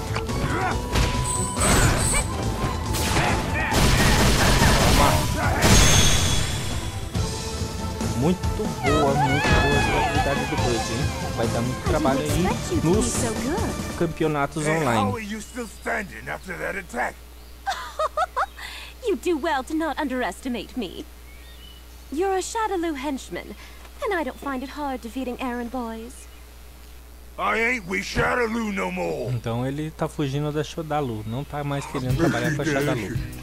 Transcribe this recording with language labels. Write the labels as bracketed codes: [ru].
[pt] Toma. Muito boa, muito boa a qualidade do Bird, hein? Vai dar muito trabalho aí nos campeonatos online. [en] Hey, how are you still standing after that attack? You do well to not underestimate me. You're a Shadaloo henchman, and I don't find it hard defeating errand boys. I ain't with Shadaloo no more. [pt] Então ele tá fugindo da Shadaloo, não tá mais querendo trabalhar com a Shadaloo.